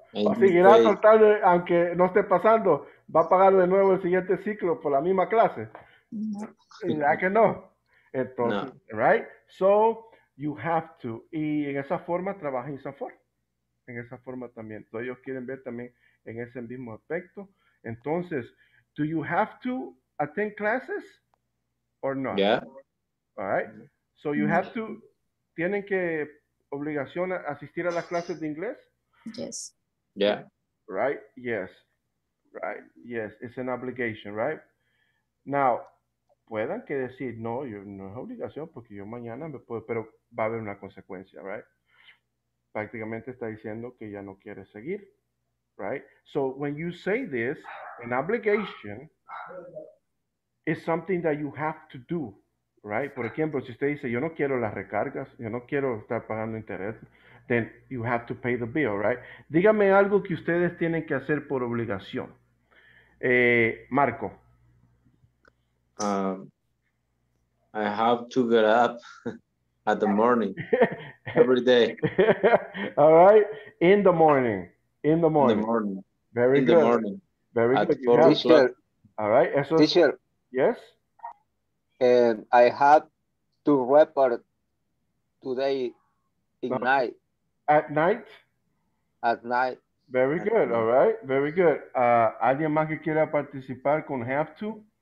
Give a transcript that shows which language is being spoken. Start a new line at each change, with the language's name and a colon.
Spanish: O seguirá soltando, aunque no esté pasando, va a pagar de nuevo el siguiente ciclo por la misma clase. Ya que no. Entonces, no.
English: Right? So, you have to.
Spanish: Y en esa forma trabaja INSAFORP. En esa forma también. Entonces, ellos quieren ver también en ese mismo aspecto. Entonces,
English: do you have to attend classes or not? Yeah. All right. So, you have to.
Spanish: ¿Tienen que obligación a asistir a las clases de inglés?
English: Yes. Yeah. Right? Yes. Right? Yes. It's an obligation, right?
Spanish: Now, puedan que decir, no, yo, no es obligación porque yo mañana me puedo, pero va a haber una consecuencia,
English: right?
Spanish: Prácticamente está diciendo que ya no quiere seguir.
English: right? So when you say this, an obligation is something that you have to do, right?
Spanish: Por ejemplo, si usted dice, yo no quiero las recargas, yo no quiero estar pagando interés,
English: then you have to pay the bill, right?
Spanish: Dígame algo que ustedes tienen que hacer por obligación. Marco.
English: I have to get up at the morning, every day. All right, in the morning. In the morning. In the morning. Very in good. In the morning. Very at good. Yeah. Teacher. All right.
Spanish: Eso
English: teacher. Yes? And I have to report today at night. At night? At night. Very at good. Night. All right. Very good.
Spanish: ¿Alguien más que quiera participar con have to?